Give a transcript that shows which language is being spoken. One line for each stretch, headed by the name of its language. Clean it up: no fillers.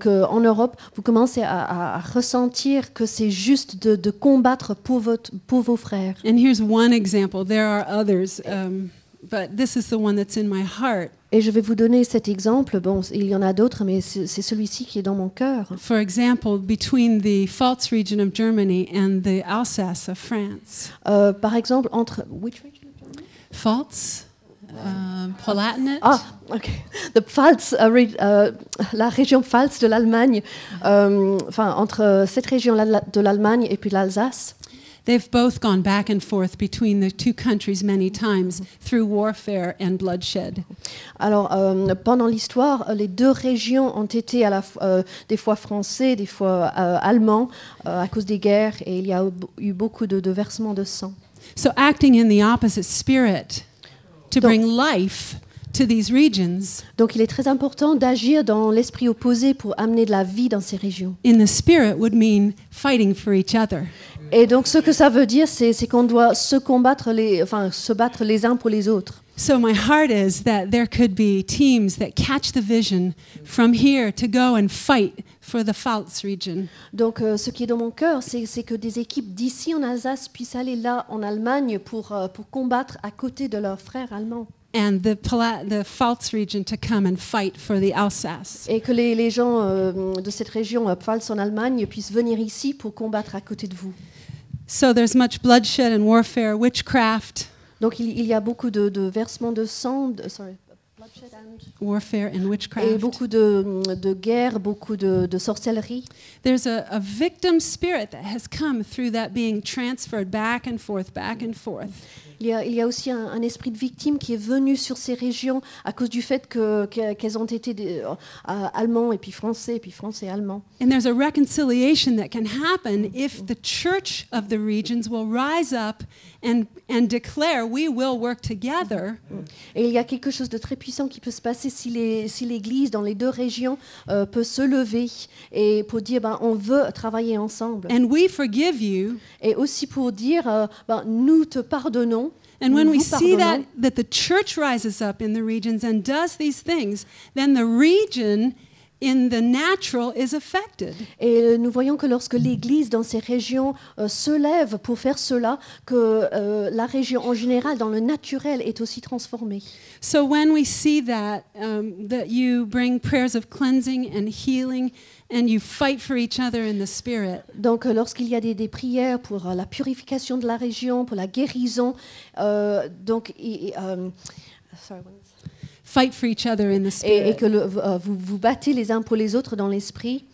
French: En Europe vous commencez à ressentir que c'est juste de combattre pour vos frères.
English: And here's one example. There are others, but this is the one that's in my heart.
French: Et je vais vous donner cet exemple. Bon, il y en a d'autres, mais c'est celui-ci qui est dans mon cœur.
English: For example, between the Pfalz region of Germany and the Alsace of France.
French: Par exemple, entre
English: which region of Germany? Pfalz, Palatinate.
French: Ah, ok. The Pfalz, la région Pfalz de l'Allemagne. Entre cette région de l'Allemagne et puis l'Alsace.
English: They've both gone back and forth between the two countries many times through warfare and bloodshed.
French: Alors pendant l'histoire, les deux régions ont été à la des fois français, des fois allemand à cause des guerres et il y a eu beaucoup de versements de sang.
English: So acting in the opposite spirit to bring life to these regions.
French: Donc il est très important d'agir dans l'esprit opposé pour amener de la vie dans ces régions.
English: In the spirit would mean fighting for each other.
French: Et donc ce que ça veut dire, c'est qu'on doit se battre les uns pour les autres.
English: So my heart is that there could be teams that catch the vision from here to go and fight for the Pfalz region.
French: Donc ce qui est dans mon cœur, c'est que des équipes d'ici en Alsace puissent aller là en Allemagne pour combattre à côté de leurs frères allemands.
English: And the Pfalz region to come and fight for the Alsace.
French: Et que les gens de cette région Pfalz en Allemagne puissent venir ici pour combattre à côté de vous.
English: So there's much bloodshed and warfare, witchcraft.
French: Donc il y a beaucoup de versements de sang,
English: bloodshed and warfare and witchcraft.
French: Et beaucoup de guerre, beaucoup de sorcellerie.
English: There's a victim spirit that has come through that being transferred back and forth, back and forth.
French: Il y a aussi un esprit de victime qui est venu sur ces régions à cause du fait qu'elles ont été allemands et puis français et puis français et allemands.
English: And there's a reconciliation that can happen if the church of the regions will rise up and declare we will work together.
French: Et il y a quelque chose de très puissant qui peut se passer si l'église dans les deux régions peut se lever et pour dire on veut travailler ensemble.
English: And we forgive you.
French: Et aussi pour dire nous te pardonnons.
English: And when we see that the church rises up in the regions and does these things, then the region in the natural is affected.
French: Et nous voyons que lorsque l'église dans ces régions se lève pour faire cela, que la région en général dans le naturel est aussi transformée.
English: So when we see that that you bring prayers of cleansing and healing and you fight for each other in the spirit.
French: Donc lorsqu'il y a des prières pour la purification de la région, pour la guérison,
English: fight for each other in the spirit.
French: Et que vous battez les uns pour les autres dans l'esprit.